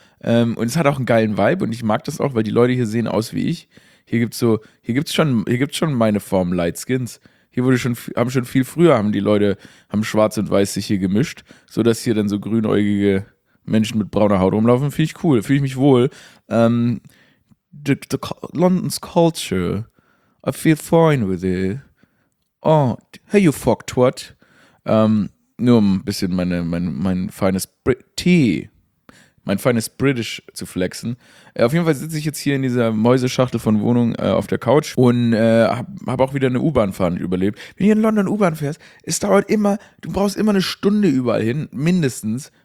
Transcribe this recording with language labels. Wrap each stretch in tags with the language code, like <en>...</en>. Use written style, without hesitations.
<de>Und es hat auch einen geilen Vibe und ich mag das auch, weil die Leute hier sehen aus wie ich. Hier gibt's schon meine Form Light Skins. Haben schon viel früher Schwarz und Weiß sich hier gemischt, sodass hier dann so grünäugige Menschen mit brauner Haut rumlaufen. Finde ich cool, fühle ich mich wohl.</de> <en>The London's culture, I feel fine with it. Oh, hey you fuck twat.</en> <de>Nur um ein bisschen mein feines Tee. Mein feines British zu flexen. Auf jeden Fall sitze ich jetzt hier in dieser Mäuseschachtel von Wohnung auf der Couch und hab auch wieder eine U-Bahn-Fahrt überlebt. Wenn du in London U-Bahn fährst, es dauert immer, du brauchst immer eine Stunde überall hin, mindestens.</de>